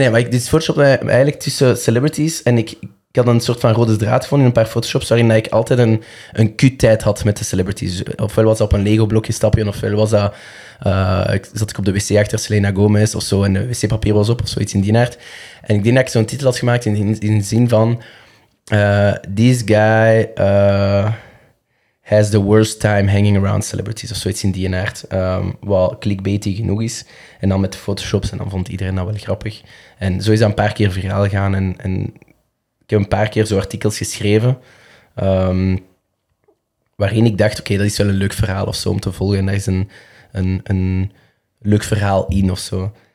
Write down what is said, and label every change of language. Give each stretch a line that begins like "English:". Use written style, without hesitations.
Dutch: Dus photoshop eigenlijk tussen celebrities en ik had een soort van rode draad gevonden in een paar Photoshops waarin ik altijd een kuttijd had met de celebrities. Ofwel was dat op een Lego-blokje stapje, ofwel was dat zat ik op de wc achter Selena Gomez of zo en de wc-papier was op of zoiets in die aard. En ik denk dat ik zo'n titel had gemaakt in de zin van
English: this guy has the worst time hanging around celebrities,
Dutch: of zoiets in die aard. Wat clickbaity genoeg is. En dan met Photoshops, en dan vond iedereen dat wel grappig. En zo is dat een paar keer viraal gegaan. En ik heb een paar keer zo artikels geschreven, waarin ik dacht, oké, dat is wel een leuk verhaal of zo om te volgen. En daar is een leuk verhaal in of zo.